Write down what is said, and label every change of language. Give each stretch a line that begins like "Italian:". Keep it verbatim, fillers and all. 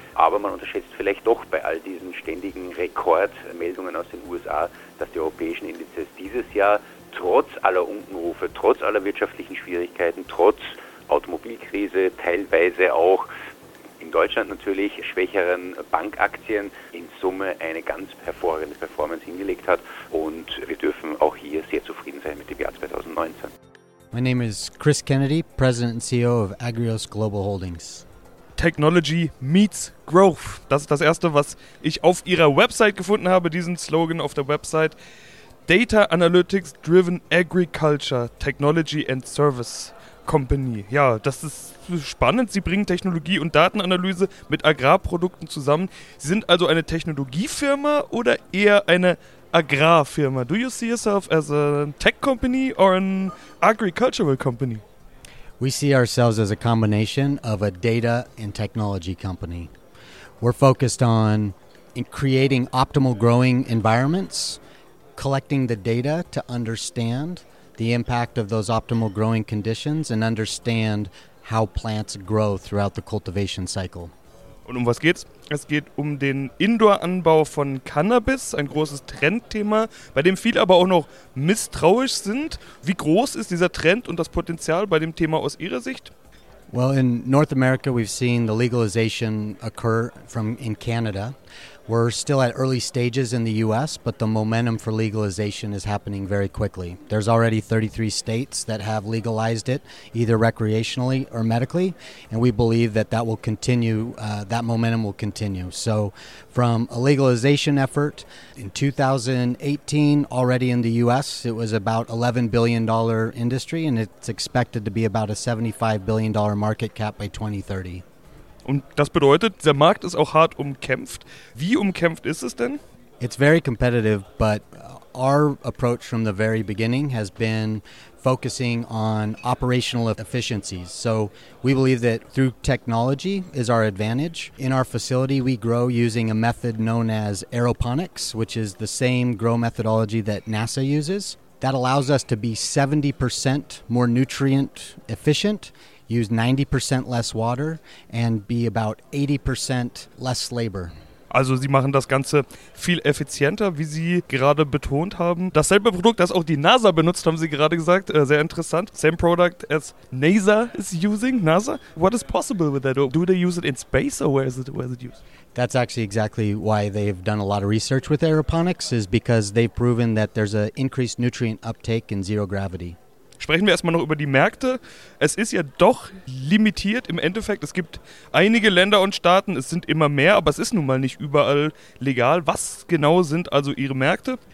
German: Aber man unterschätzt vielleicht doch bei all diesen ständigen Rekordmeldungen aus den U S A, dass die europäischen Indizes dieses Jahr trotz aller Unkenrufe, trotz aller wirtschaftlichen Schwierigkeiten, trotz Automobilkrise, teilweise auch in Deutschland natürlich schwächeren Bankaktien in Summe eine ganz hervorragende Performance hingelegt hat. Und wir dürfen auch hier sehr zufrieden sein mit dem Jahr zweitausendneunzehn.
English: My name is Chris Kennedy, President and C E O of Agrios Global Holdings. Technology meets growth.
German: Das ist das Erste, was ich auf ihrer Website gefunden habe, diesen Slogan auf der Website.
English: Data Analytics Driven Agriculture, Technology and Service Company.
German: Ja, das ist spannend. Sie bringen Technologie und Datenanalyse mit Agrarprodukten zusammen. Sie sind also eine Technologiefirma oder eher eine Agrarfirma.
English: Do you see yourself as a tech company or an agricultural company? We see ourselves as a combination of a data and technology company. We're focused on in creating optimal growing environments, collecting the data to understand the impact of those optimal growing conditions and understand how plants grow throughout the cultivation cycle.
German: Und um was geht's? Es geht um den Indoor-Anbau von Cannabis, ein großes Trendthema, bei dem viele aber auch noch misstrauisch sind. Wie groß ist dieser Trend und das Potenzial bei dem Thema aus Ihrer Sicht?
English: Well, in North America we've seen the legalization occur from in Canada. We're still at early stages in the U S, but the momentum for legalization is happening very quickly. There's already thirty-three states that have legalized it, either recreationally or medically, and we believe that that will continue, uh, that momentum will continue. So from a legalization effort in two thousand eighteen, already in the U S, it was about eleven billion dollars industry, and it's expected to be about a seventy-five billion dollars market cap by twenty thirty.
German: Und das bedeutet, der Markt ist auch hart umkämpft. Wie umkämpft ist es denn?
English: It's very competitive, but our approach from the very beginning has been focusing on operational efficiencies. So we believe that through technology is our advantage. In our facility, we grow using a method known as aeroponics, which is the same grow methodology that NASA uses. That allows us to be seventy percent more nutrient efficient, use ninety percent less water and be about eighty percent less labor.
German: Also sie machen das Ganze viel effizienter, wie Sie gerade betont haben. Dasselbe Produkt, das auch die NASA benutzt, haben Sie gerade gesagt. Äh, sehr interessant.
English: Same product as NASA is using. NASA, what is possible with that? Do they use it in space or where is it, where is it used? That's actually exactly why they've done a lot of research with aeroponics, is because they've proven that there's an increased nutrient uptake in zero gravity.
German: Sprechen wir erstmal noch über die Märkte. Es ist ja doch limitiert im Endeffekt. Es gibt einige Länder und Staaten, es sind immer mehr, aber es ist nun mal nicht überall legal. Was genau sind also Ihre Märkte?